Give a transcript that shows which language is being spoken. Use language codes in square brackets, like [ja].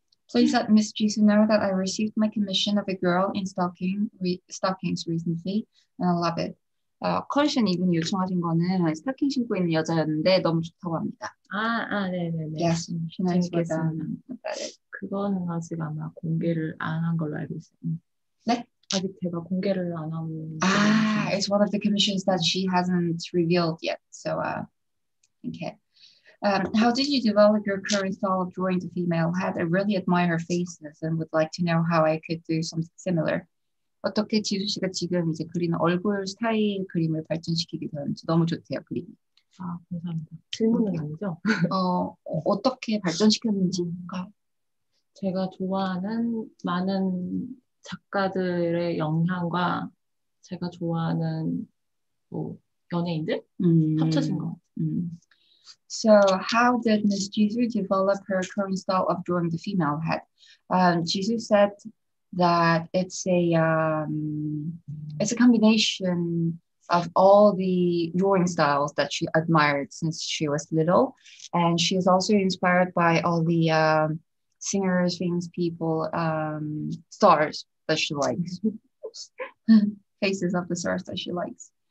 [en] Please let Miss Jisoo know that I received my commission of a girl in stockings recently, and I love it. [ko] 커미션 이분이 요청하신 거는 스타킹 신고 있는 여자였는데 너무 좋다고 합니다. 네네네. [en] Yes, [ko] 신하시겠다. 그거는 아직 아마 공개를 안 한 걸로 알고 있어요. 네? 아직 제가 공개를 안 한. [en] It's one of the commissions that she hasn't revealed yet. So, okay. How did you develop your current style of drawing the female head? I really admire her faces and would like to know how I could do something similar. [ko] 어떻게 지수 씨가 지금 이제 그리는 얼굴 스타일 그림을 발전시키게 되었는지 너무 좋대요, 그림이. 아, 감사합니다. 질문은 아니죠? 어떻게 발전시켰는지가? 제가 좋아하는 많은 작가들의 영향과 제가 좋아하는 뭐 연예인들 합쳐진 것 같아요. [en] So how did Miss Jisoo develop her current style of drawing the female head? Jisoo said that it's a combination of all the drawing styles that she admired since she was little, and she is also inspired by all the singers, famous people, stars that she likes, faces of the stars that she likes.